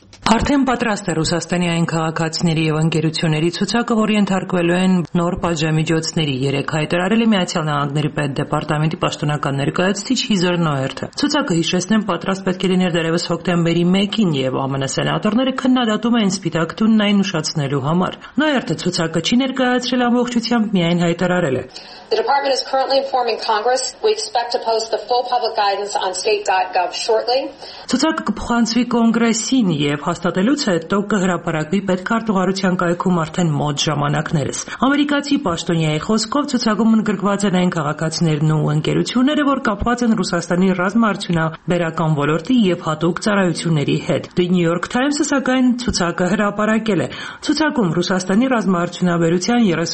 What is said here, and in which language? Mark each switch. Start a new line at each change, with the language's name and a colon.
Armenian: Արդեն պատրաստ է Ռուսաստանի այն քաղաքացիների եւ ընկերությունների ցուցակը, որի ենթարկվելու են նոր պատժամիջոցների, երեք հայտարարել է Միացյալ Նահանգների Պետդեպարտամենտի պաշտոնական ներկայացուցիչ Հիզոր Նոերթը։ Ցուցակը, հիշեցնեմ, պատրաստ պետք է լիներ դեռևս հոկտեմբերի 1-ին եւ ԱՄՆ սենատորները քննադատում էին Սպիտակ տունն այն ուշացնելու համար։ Նոերթը ցուցակը չի ներկայացրել ամբողջությամբ, միայն հայտարարել է.
English: The department is currently informing Congress. We expect to post the full public guidance on state.gov shortly.
Armenian: Ցուցակը կփոխանցվի կոնգրեսին եւ հաստատելուց հետո կհրապարակվի պետքարտուղարության կայքում արդեն մոտ ժամանակներս։ Ամերիկացի պաշտոնյայի խոսքով ցուցակում ընդգրկված են այն քաղաքացիներն ու ընկերությունները, որ կապված են Ռուսաստանի ռազմաարդյունաբերական ոլորտի եւ հատուկ ծառայությունների հետ։ The New York Times-ը սակայն ցուցակը հրապարակել է։ Ցուցակում Ռուսաստանի ռազմաարդյունաբերության